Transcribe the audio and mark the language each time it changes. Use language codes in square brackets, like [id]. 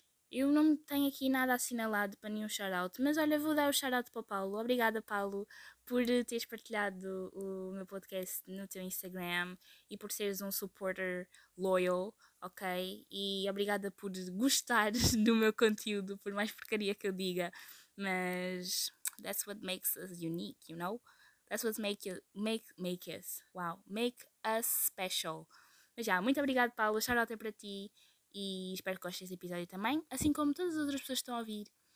[pt] Eu não tenho aqui nada assinalado para nenhum shoutout. Mas olha, vou dar o shoutout para o Paulo. Obrigada, Paulo, por teres partilhado o meu podcast no teu Instagram. E por seres um [en] supporter loyal, [pt] ok? E obrigada por gostares do meu conteúdo, por mais porcaria que eu diga. Mas... [en] that's what makes us unique, you know? That's what make us. Wow. Make us special. [pt] Mas já, muito obrigada, Paulo. Shout out para ti. E espero que gostes deste episódio também. Assim como todas as outras pessoas que estão a ouvir.